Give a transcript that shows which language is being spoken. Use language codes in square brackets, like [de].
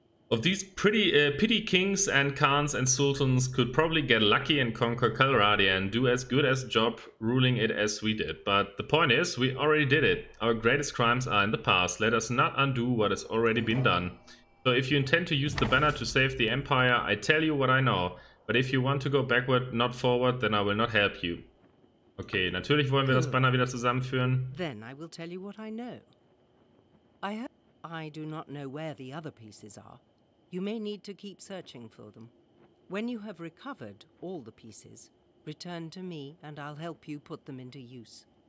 [en] Of these pretty pity kings and khans and sultans could probably get lucky and conquer Kalradia and do as good as job ruling it as we did. But the point is, we already did it. Our greatest crimes are in the past. Let us not undo what has already been done. So if you intend to use the banner to save the empire, I tell you what I know. But if you want to go backward, not forward, then I will not help you. [de] Okay, natürlich wollen wir das Banner wieder zusammenführen. [en] Then I will tell you what I know. I do not know where the other pieces are. You may need to keep searching for them. When you have recovered all the pieces, return to me and I'll help you put them into use.